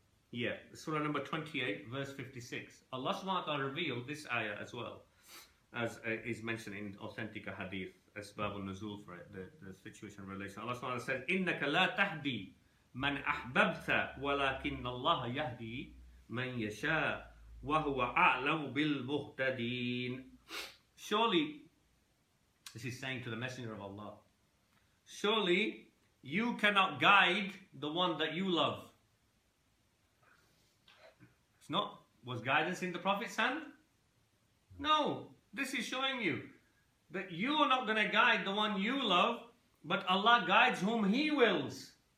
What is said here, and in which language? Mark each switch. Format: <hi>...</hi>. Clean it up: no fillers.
<en>Yeah, Surah number 28, verse 56. Allah subhanahu wa ta'ala revealed this ayah as well, as is mentioned in authentic hadith, Asbab al-Nuzul for it, the situation relation.</en> <ar>Allah subhanahu wa ta'ala says, إِنَّكَ لَا تَهْدِي مَنْ أَحْبَبْتَ وَلَكِنَّ اللَّهَ يَهْدِي مَنْ يَشَاءَ وَهُوَ أَعْلَمُ بِالْمُهْتَدِينَ.</ar> <en>Surely, this is saying to the Messenger of Allah, surely you cannot guide the one that you love. It's not, was guidance in the Prophet's hand? No, this is showing you that you are not going to guide the one you love, but Allah guides whom He wills.</en>